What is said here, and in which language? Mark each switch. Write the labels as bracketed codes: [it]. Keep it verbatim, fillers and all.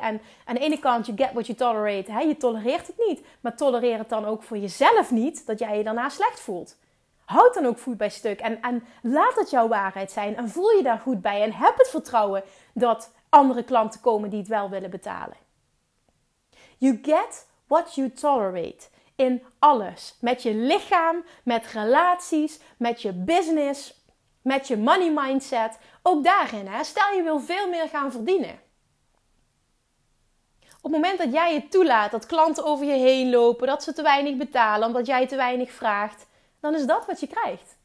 [nl] En aan de ene kant, [en] you get what you tolerate. [nl] Hè? Je tolereert het niet. Maar tolereer het dan ook voor jezelf niet, dat jij je daarna slecht voelt. Houd dan ook voet bij stuk. En, en laat het jouw waarheid zijn. En voel je daar goed bij. En heb het vertrouwen dat andere klanten komen die het wel willen betalen. [en] You get what you tolerate. [nl] In alles. Met je lichaam, met relaties, met je business, met je money mindset. Ook daarin, hè? Stel je wil veel meer gaan verdienen. Op het moment dat jij het toelaat dat klanten over je heen lopen, dat ze te weinig betalen omdat jij te weinig vraagt, dan is dat wat je krijgt.